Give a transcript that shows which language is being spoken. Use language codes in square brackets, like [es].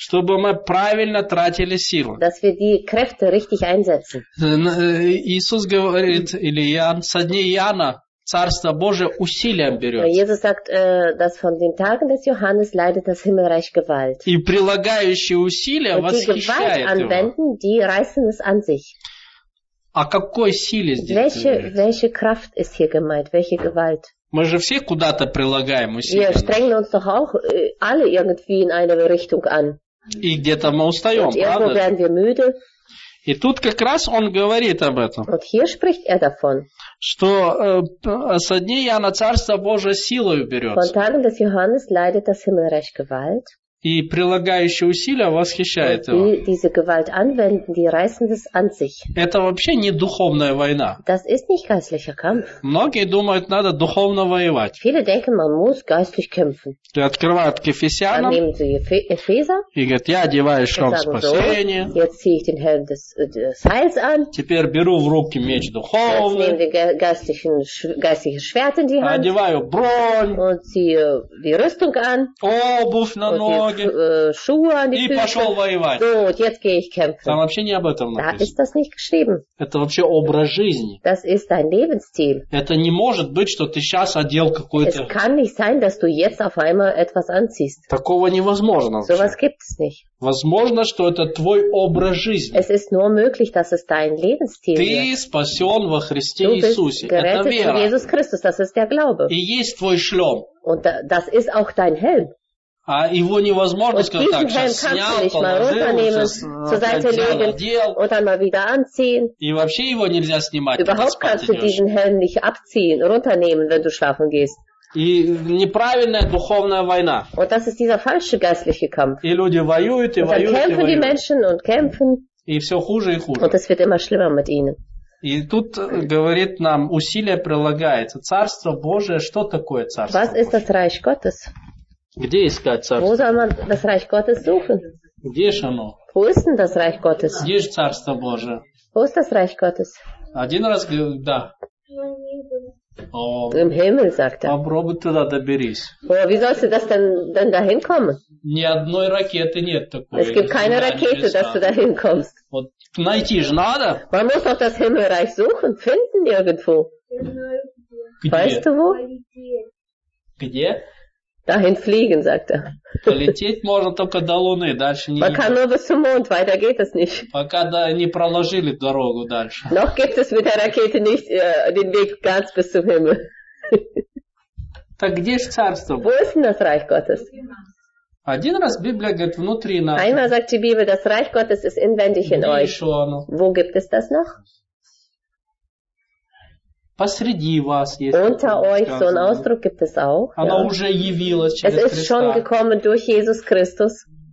[ru] Чтобы мы правильно тратили силу. [de] Dass wir die Kräfte richtig einsetzen. [ru] Иисус говорит, или Иоанн, со дней Иоанна, Царство Божие усилием берется. [de] Jesus sagt, dass von den Tagen des Johannes leidet das Himmelreich Gewalt. [ru] И прилагающие усилия восхищает его. [de] Und die Gewalt anwenden, die reißen es an sich. [ru] О какой силе здесь говорится? [de] Welche Kraft ist hier gemeint? Welche Gewalt? [ru] Мы же все куда-то прилагаем усилия. [de] Wir strengen uns doch auch alle irgendwie in eine Richtung an. [ru] И где-то мы устаем, правда? [de] Und irgendwo werden wir müde. [ru] И тут как раз он говорит об этом. [de] Und hier spricht er davon. [ru] Что со дней Иоанна Царство Божие силою берется. [de] Von Tagen des Johannes leidet das Himmelreich Gewalt. [ru] И прилагающие усилия восхищает его. [de] Die, diese Gewalt anwenden, die reißen es an sich. [ru] Это вообще не духовная война. [de] Das ist nicht geistlicher Kampf. [ru] Многие думают, надо духовно воевать. [de] Viele denken, man muss geistlich kämpfen. [ru] И открывают к Ефесянам. [de] Dann nehmen sie Epheser. [ru] И говорят, я одеваю шлем спасения. [de] So, jetzt ziehe ich den Helm des Heils an. [ru] Теперь беру в руки меч духовный. [de] Jetzt nehmen wir geistliches Schwert in die Hand. [ru] Одеваю бронь. [de] Und ziehe die Rüstung an. [ru] Обувь на ноги. Synagoge [de] Schuhe an die [ru] и пошел воевать. [de] So, und jetzt gehe ich kämpfen. [ru] Там вообще не об этом написано. [de] Da ist das nicht geschrieben. [ru] Это вообще образ жизни. [de] Das ist dein Lebensstil. [ru] Это не может быть, что ты сейчас одел какой-то... [de] Es kann nicht sein, dass du jetzt auf einmal etwas anziehst. [ru] Такого невозможно. [de] So was gibt es nicht. [ru] Возможно, что это твой образ жизни. [de] Es ist nur möglich, dass es dein Lebensstil ist. [ru] Ты спасен во Христе Иисусе. Это вера. [de] Du bist gerettet in Jesus Christus. Das ist der Glaube. [ru] И есть твой шлем. [de] Und das ist auch dein Helm. [ru] А его невозможно [de] und [ru] сказать так, сейчас снял, положил, сейчас и вообще его нельзя снимать, [de] überhaupt [ru] когда спать идешь. [de] Helm nicht abziehen, runternehmen, wenn du schlafen gehst. [ru] И неправильная духовная война. [de] Und das ist dieser falsche geistliche Kampf. [ru] И люди воюют, и [de] und [ru] воюют, [de] kämpfen [ru] и воюют. [de] Die Menschen und kämpfen. [ru] И все хуже и хуже. [de] Und es wird immer schlimmer mit ihnen. [ru] И тут говорит нам, усилие прилагается. Царство Божие, что такое Царство [de] Was [ru] Божие? [de] Ist das Reich Gottes? [ru] Где искать Царство? [de] Wo soll man das Reich Gottes suchen? [ru] Где же оно? [de] Wo ist denn das Reich Gottes? [ru] Где же Царство Божие? [de] Wo ist das Reich Gottes? [ru] Один раз, да. [de] Im Himmel, sagt er. [ru] Попробуй туда доберись. [de] Oh, wie sollst du das denn da hinkommen? [ru] Ни одной ракеты нет такой. [de] Es gibt keine Rakete, dass du da hinkommst. [ru] Вот найти же надо. [de] Man muss doch das Himmelreich suchen, finden irgendwo. [ru] Где? [de] Weißt du wo? [ru] Где? [de] Dahin fliegen, sagt er. [ru] Полететь можно только до Луны, дальше не. Пока [de] nur bis zum Mond, weiter geht es nicht. [ru] Пока да, не проложили дорогу дальше. [de] Noch gibt es mit der Rakete nicht den Weg ganz bis zum Himmel. [ru] Так где ж Царство? [de] Wo ist denn das Reich Gottes? [ru] Один раз Библия говорит внутри нас. [de] Einmal sagt die Bibel, das Reich Gottes ist inwendig in euch. Wo gibt es das noch? [ru] Посреди вас есть. [de] Unter euch, so ein Ausdruck gibt es auch. [ru] Она уже явилась через [de] Христа. Es ist schon gekommen durch Jesus Christus.